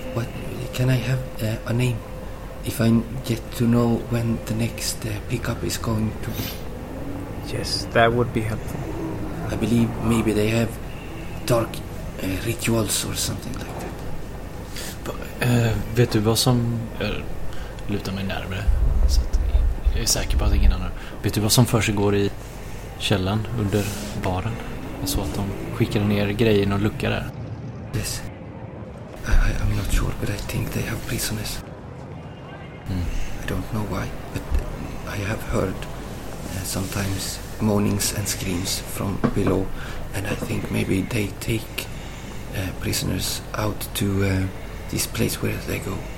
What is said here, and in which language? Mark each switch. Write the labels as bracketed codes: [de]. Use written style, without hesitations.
[en] What, can I have a name? If I get to know when the next pickup is going to be. Yes, that would be helpful. I believe maybe they have dark rituals or something like that. [sv] Vet du vad som... Jag lutar mig närmare. Så att jag är säker på att ingen annan... Vet du vad som för sig går i källan under baren? Så att de skickar ner grejen och luckar där. [en] Yes. I'm not sure, but I think they have prisoners. Mm. I don't know why, but I have heard sometimes moanings and screams from below, and I think maybe they take prisoners out to this place where they go.